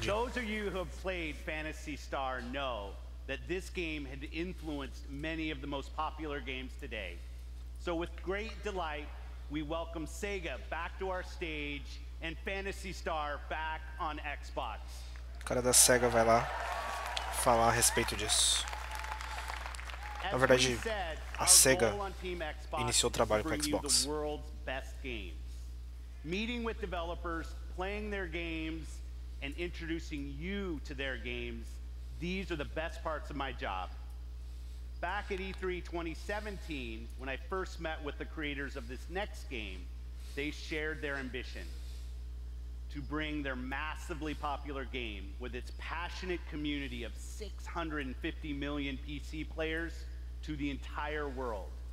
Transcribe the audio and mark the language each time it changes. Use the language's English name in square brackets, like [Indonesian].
[English] Those of you who have played Phantasy Star know that this game had influenced many of the most popular games today. So with great delight, we welcome Sega back to our stage and Phantasy Star back on Xbox. [Portuguese] O cara da Sega vai lá falar a respeito disso. Na verdade, a Sega iniciou o trabalho com Xbox. [English] The world's best games. Meeting with developers, playing their games and introducing you to their games, these are the best parts of my job. Back at E3 2017, when I first met with the creators of this next game, they shared their ambition to bring their massively popular game with its passionate community of 650 million PC players to the entire world.